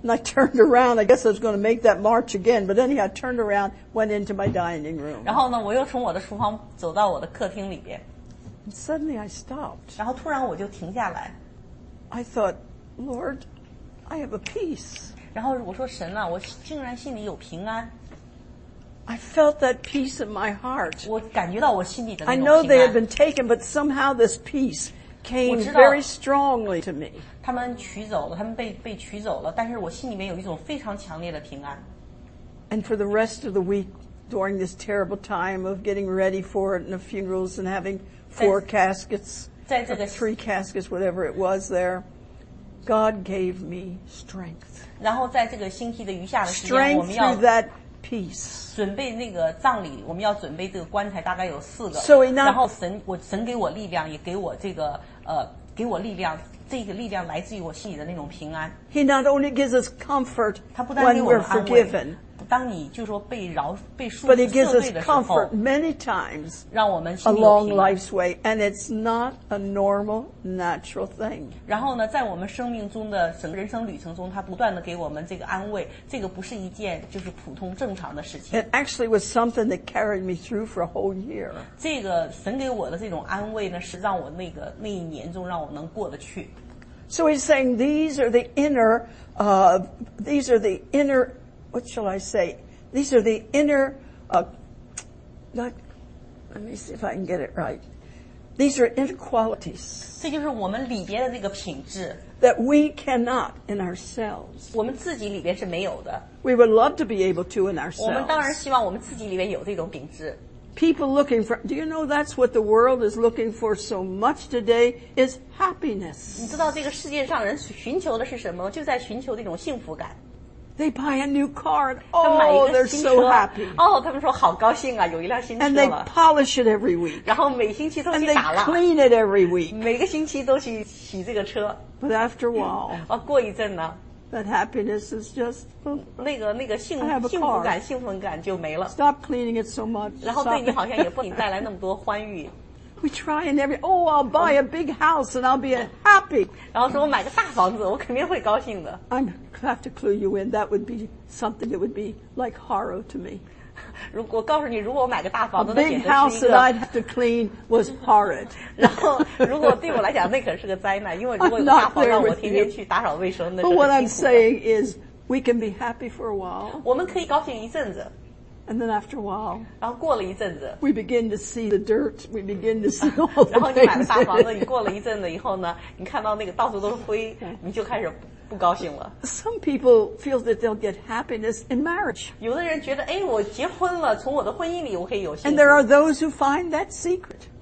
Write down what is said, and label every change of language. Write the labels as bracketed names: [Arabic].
[English] And I turned around. I guess I was going to make that march again, but anyhow, I turned around, went into my dining room. [Chinese] 然后呢，我又从我的厨房走到我的客厅里边。 [English] And suddenly I stopped. [Chinese] 然后突然我就停下来。 [English] I thought. Lord, I have a peace. [Chinese] 然后我说神啊，我竟然心里有平安。 [English] I felt that peace in my heart. [Chinese] 我感觉到我心里的那种平安。 [English] I know they had been taken, but somehow this peace came very strongly to me. [Chinese] 他们取走了，他们被取走了，但是我心里面有一种非常强烈的平安。 [English] And for the rest of the week, during this terrible time of getting ready for it and the funerals and having four caskets, three caskets, whatever it was there. God gave me strength. [Chinese] 然后在这个星期的余下的时间 [English] strength [Chinese] 我们要 [English] through that peace. [Chinese] 准备那个葬礼我们要准备这个棺材大概有四个 [English] so enough, [Chinese] 然后神给我力量也给我这个给我力量这个力量来自于我心里的那种平安 [English] He not only gives us comfort [Chinese] 他不单给我们安慰 [English] when we're forgiven [Chinese] 当你就说被饶被赦罪 [English] but he gives us comfort many times [Chinese] 让我们心里 [English] along life's way and it's not a normal natural thing [Chinese] 然后呢在我们生命中的整个人生旅程中他不断地给我们这个安慰这个不是一件就是普通正常的事情 [English] it actually was something that carried me through for a whole year [Chinese] 这个神给我的这种安慰呢是让我那一年中让我能过得去 [English] so he's saying these are the inner What shall I say? These are the inner, let me see if I can get it right. These are inner qualities. [Chinese] 这就是我们里边的那个品质 [English] That we cannot in ourselves. [Chinese] 我们自己里边是没有的 [English] We would love to be able to in ourselves. [Chinese] 我们当然希望我们自己里边有这种品质 [English] People looking for, do you know that's what the world is looking for so much today? Is happiness. [Chinese] 你知道这个世界上人寻求的是什么？就在寻求这种幸福感。 [English] They buy a new car. Oh, they're so happy. [Chinese] Oh, 他们说好高兴啊，有一辆新车了。 [English] And they polish it every week. [Chinese] 然后每星期都去打蜡。 [English] And they clean it every week. [Chinese] 每个星期都去洗这个车。 [English] But after a while, [Chinese] 过一阵呢 [English] that happiness is just [Chinese] 那个幸福感就没了。 [English] Stop cleaning it so much. [Chinese] 然后对你好像也不给你带来那么多欢愉。 [English] We try and every oh, I'll buy a big house and I'll be happy. [Chinese] 然后说我买个大房子，我肯定会高兴的。 [English] I have to clue you in. That would be something that would be like horror to me. [Chinese] 如果告诉你，如果我买个大房子，那简直是一个。 [English] A big house that I'd have to clean was horrid. [Chinese] 然后，如果对我来讲，那可是个灾难，因为如果有大房让我天天去打扫卫生，那是。 [English] But what I'm saying is, we can be happy for a while. [Chinese] 我们可以高兴一阵子。 [English] And then after a while, [Chinese] 然后过了一阵子 [English] we begin to see the dirt. We begin to see all the [Chinese] 然后你买了大房子，你过了一阵子以后呢，你看到那个到处都是灰，你就开始不高兴了。 [English] Some people feel that they'll get happiness in marriage. [Chinese] 有的人觉得，哎，我结婚了，从我的婚姻里我可以有幸福。 [English] And there are those who find that secret.